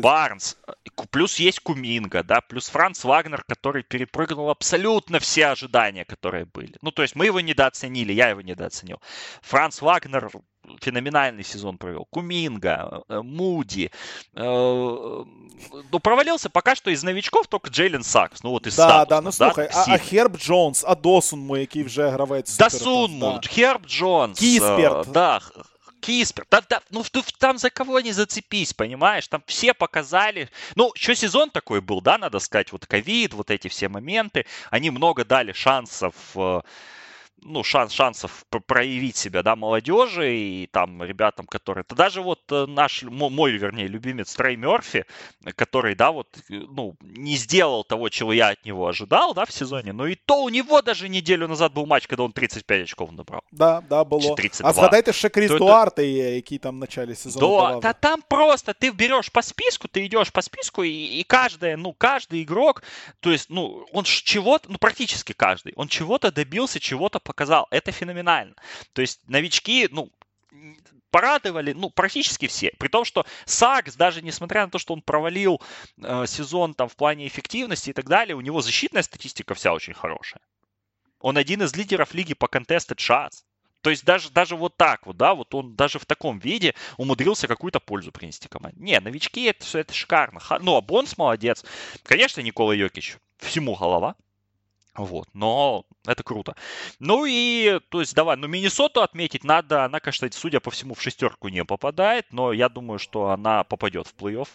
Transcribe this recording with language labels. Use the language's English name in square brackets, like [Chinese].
[Russian] Барнс, плюс есть Куминга, да, плюс Франц Вагнер, который перепрыгнул абсолютно все ожидания, которые были. Ну то есть мы его недооценили, я его недооценил. Франц Вагнер... феноменальный сезон провел. Куминга, Муди. Ну, провалился пока что из новичков только Джейлен Сакс. Ну, вот из статуса. Да, да, [Ukrainian] ну, слухай, а Херб Джонс, а Досунму, який вже гравець? [Russian] Досунму, да. Херб Джонс. Кісперт. Да, Кісперт. Да, ну, там за кого не зацепись, понимаешь? Там все показали. Ну, что сезон такой был, да, надо сказать. Вот ковид, вот эти все моменты. Они много дали шансов... ну, шансов проявить себя, да, молодежи и там ребятам, которые... Даже вот наш, мой, вернее, любимец Трей Мёрфи, который, да, вот, ну, не сделал того, чего я от него ожидал, да, в сезоне, но и то у него даже неделю назад был матч, когда он 35 очков набрал. Да, да, было. 32. А сгадайте, что Крис Дуарте, який там в начале сезона давал. Да там просто ты берешь по списку, ты идешь по списку, и каждая, ну, каждый игрок, то есть, ну, он чего-то, ну, практически каждый, он чего-то добился, чего-то показал. Это феноменально. То есть новички, ну, порадовали, ну, практически все. При том, что Сакс, даже несмотря на то, что он провалил сезон там в плане эффективности и так далее, у него защитная статистика вся очень хорошая. Он один из лидеров лиги по contested shots. То есть даже вот так вот, да, вот он даже в таком виде умудрился какую-то пользу принести команде. Не, новички, это все, это шикарно. Ну, а Бонс молодец. Конечно, Никола Йокич, всему голова. Вот, но это круто. Ну и, то есть, давай, ну Миннесоту отметить надо, она, конечно, судя по всему, в шестерку не попадает, но я думаю, что она попадет в плей-офф.